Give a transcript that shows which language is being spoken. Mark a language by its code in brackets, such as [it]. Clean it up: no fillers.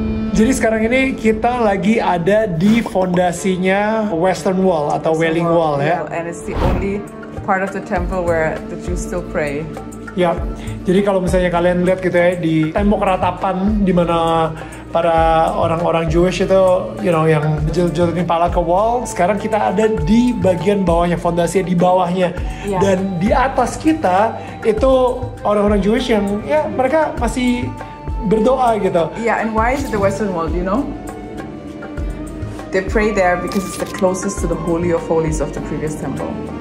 [id] Jadi sekarang ini kita lagi ada di fondasinya Western Wall atau Wailing Wall ya. [en] And it's the only part of the temple where the Jews still pray. [id] Ya, jadi kalau misalnya kalian lihat gitu ya di tembok ratapan di mana para orang-orang Jewish itu, [en] you know, [id] yang jelutin pala ke wall. Sekarang kita ada di bagian bawahnya, fondasinya di bawahnya. Yeah. Dan di atas kita itu orang-orang Jewish yang ya mereka masih berdoa gitu. [en] Yeah, and why is it the Western Wall? You know, they pray there because it's the closest to the Holy of Holies of the previous temple.